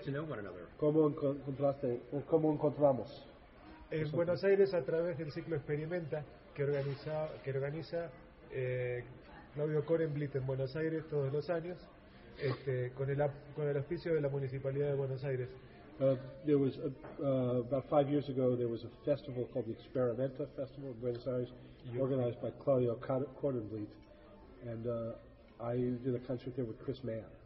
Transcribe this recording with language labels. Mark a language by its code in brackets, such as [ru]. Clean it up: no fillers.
[en] How did you two get to know one another? [es] En Buenos Aires, a través del ciclo Experimenta, que organiza Claudio Korenblit en Buenos Aires todos los años, con el auspicio de la Municipalidad de Buenos Aires. [en] About 5 years ago, there was a festival called the Experimenta Festival in Buenos Aires, organized by Claudio Korenblit, and I did a concert there with Chris Mann.